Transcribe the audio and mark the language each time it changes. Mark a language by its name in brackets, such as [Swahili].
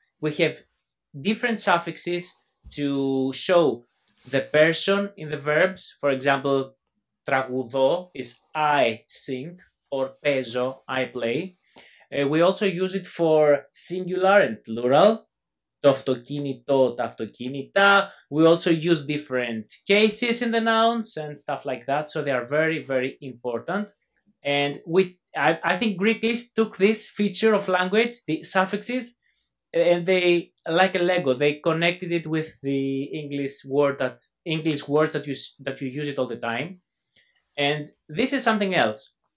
[English] We have different suffixes to show the person in the verbs. For example, [Greek] tragudo [English] is I sing, or [Greek] pezo, [English] I play. We also use it for singular and plural. [Greek] Το αυτοκίνητο, τα αυτοκίνητα. [English] We also use different cases in the nouns and stuff like that. So they are very important. And I think Greeklish took this feature of language, the suffixes, and they like a Lego. They connected it with the English words that you use it all the time. And this is something else.